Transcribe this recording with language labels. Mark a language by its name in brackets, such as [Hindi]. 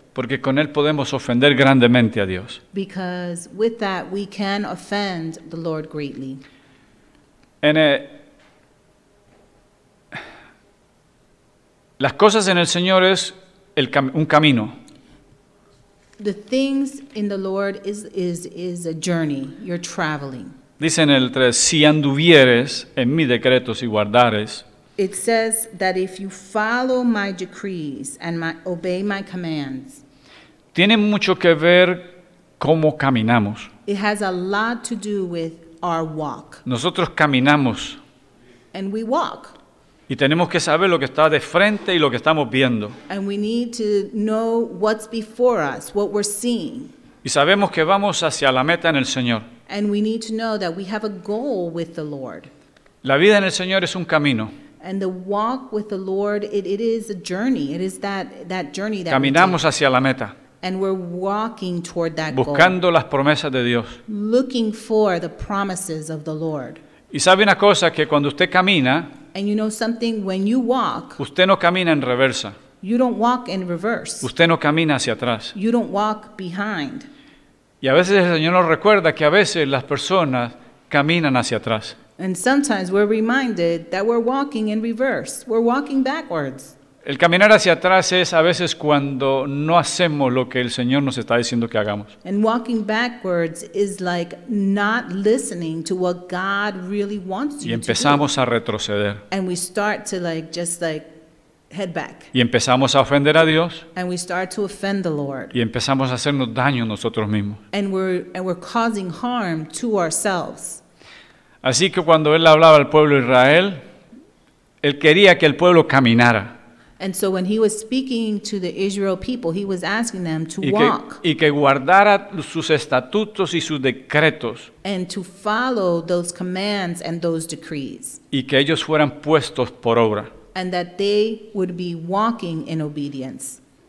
[Spanish] Porque con él podemos ofender grandemente a Dios. [English] Because with that we can offend the Lord greatly. [Spanish] Las cosas en el Señor es un camino. [English] The things in the Lord is a journey. You're traveling. [Spanish] Dice en el 3, si anduvieres en mis decretos y guardares. [English] It says that if you follow my decrees and obey my commands. [Spanish] Tiene mucho que ver cómo caminamos. [English] It has a lot to do with our walk. [Spanish] Nosotros caminamos. [English] And we walk. [Spanish] Y tenemos que saber lo que está de frente y lo que estamos viendo. [English] And we need to know what's before us, what we're seeing. [Spanish] Y sabemos que vamos hacia la meta en el Señor. [English] And we need to know that we have a goal with the Lord. [Spanish] La vida en el Señor es un camino. [English] And the walk with the Lord, it is a journey. It is that journey that [Spanish] caminamos hacia la meta. [English] And we're walking toward that [Spanish] buscando [English] goal. [Spanish] Las promesas de Dios. [English] Looking for the promises of the Lord. [Spanish] Y sabe una cosa, que cuando usted camina, [English] and you know something, when you walk, [Spanish] usted no camina en reversa. [English] You don't walk in reverse. [Spanish] Usted no camina hacia atrás. [English] You don't walk behind. [Spanish] Y a veces el Señor nos recuerda que a veces las personas caminan hacia atrás. [English] And sometimes we're reminded that we're walking in reverse. We're walking backwards. [Spanish] El caminar hacia atrás es a veces cuando no hacemos lo que el Señor nos está diciendo que hagamos. [English] And walking backwards is like not listening to what God really wants you to do. [Spanish] Y empezamos a retroceder. [English] And we start to just head back. [Spanish] Y empezamos a ofender a Dios. [English] And we start to offend the Lord. [Spanish] Y empezamos a hacernos daño nosotros mismos. [English] And we're causing harm to ourselves. [Spanish] Así que cuando él hablaba al pueblo de Israel, él quería que el pueblo caminara. [English] And so when he was speaking to the Israel people, he was asking them to walk. [Spanish] Y que guardara sus estatutos y sus decretos. [English] And to follow those commands and those decrees. [Spanish] Y que ellos fueran puestos por obra. [English] And that they would be walking in obedience.